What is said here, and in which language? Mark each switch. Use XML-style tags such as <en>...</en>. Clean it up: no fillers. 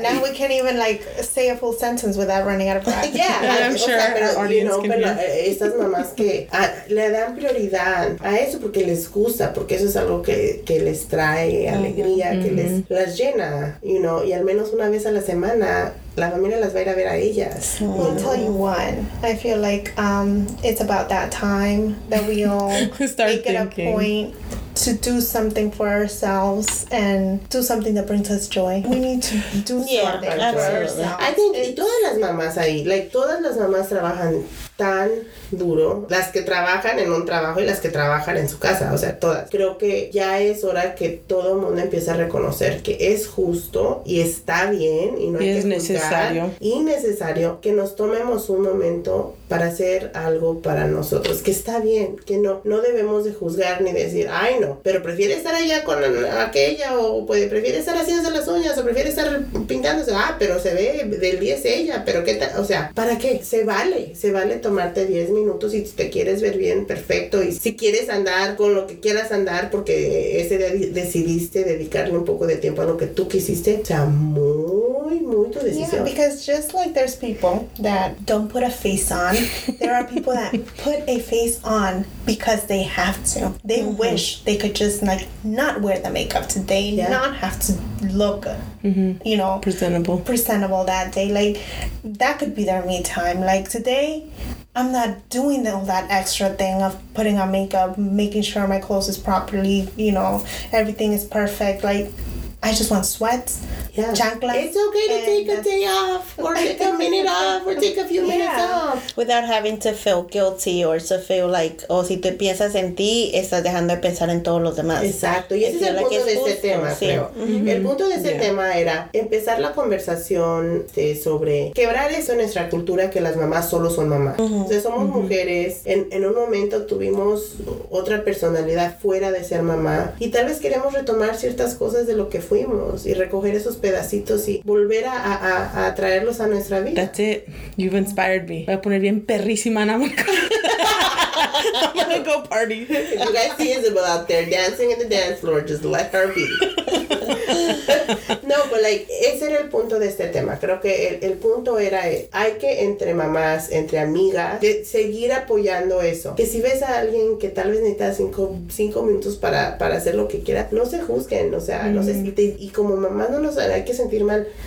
<en>Now we can't even, like, say a full sentence without running out of breath. Yeah. I'm sure, o sea,</en> <es>pero,</es> <en>our audience, you know, can</en> <es>pero esas mamás que le dan prioridad a eso porque les gusta, porque eso es algo que les trae alegría, que les las llena,</es> <en>you know,</en> <es>y al menos una vez a la semana la familia las va a ir a ver a ellas.</es> <en>Mm. I'll tell you one. I feel like it's about that time that we all start make thinking. It a point to do something for ourselves and do something that brings us joy. We need to do something for ourselves. I think</en> <es>todas las mamás ahí, like, todas las mamás trabajan tan duro, las que trabajan en un trabajo y las que trabajan en su casa, o sea, todas. Creo que ya es hora que todo el mundo empiece a reconocer que es justo y está bien y no hay que juzgar. Y es necesario. Y necesario que nos tomemos un momento para hacer algo para nosotros, que está bien, que no debemos de juzgar ni decir, ay no, pero prefiere estar allá con aquella, o puede, prefiere estar haciéndose las uñas, o prefiere estar pintándose, ah, pero se ve del 10 ella, pero qué tal, o sea, ¿para qué? Se vale tomarte 10 minutos y si te quieres ver bien, perfecto, y si quieres andar con lo que quieras andar porque ese día decidiste dedicarle un poco de tiempo a lo que tú quisiste, o sea, muy, muy tu decisión.</es> <en>Yeah, because just like there's people that don't put a face on, there are people that put a face on because they have to. They wish they could just, like, not wear the makeup today, not have to look, you know, presentable that day. Like, that could be their me time. Like, today I'm not doing all that extra thing of putting on makeup, making sure my clothes is properly, you know, everything is perfect. Like, I just want sweats, chanclas. It's okay to take a day off, or take a minute off, or take a few minutes off. Without having to feel guilty, or to feel like, oh,</en> <es>si te piensas en ti, estás dejando de pensar en todos los demás. Exacto, y ese es el punto de ese tema, creo. El punto de ese tema era empezar la conversación sobre quebrar eso en nuestra cultura, que las mamás solo son mamás. O sea, somos mujeres, en un momento tuvimos otra personalidad fuera de ser mamá, y tal vez queremos retomar ciertas cosas de lo que fuimos y recoger esos pedacitos y volver a traerlos a nuestra vida.</es> <en>That's it. You've inspired me.</en> <es>Voy a poner bien perrísima en la boca.</es> <en>I'm gonna go party. If you guys see Isabel out there dancing in the dance floor, just let her be. No, but like,</en> <es>ese era el punto de este tema. Creo que el punto era, hay que, entre mamás, entre amigas, de seguir apoyando eso. Que si ves a alguien que tal vez necesita cinco minutos para hacer lo que quiera, no se juzguen, o sea, no sé. Y como mamá no nos hará que sentir mal.</es>